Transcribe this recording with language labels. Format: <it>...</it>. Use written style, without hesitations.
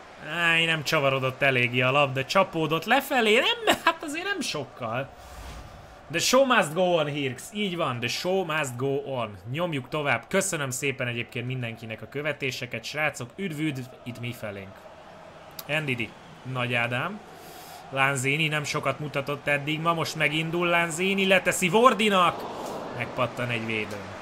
<hu>Áj, nem csavarodott eléggé a labda, csapódott lefelé, nem, hát azért nem sokkal.</hu> <en>The show must go on, Hirks,</en> <hu>így van,</hu> <en>the show must go on.</en> <hu>Nyomjuk tovább, köszönöm szépen egyébként mindenkinek a követéseket, srácok, üdvüd itt mifelénk. Ndidi, Nagy Ádám. Lanzini nem sokat mutatott eddig, ma most megindul Lanzini, leteszi Wardynak, megpattan egy védő.</hu>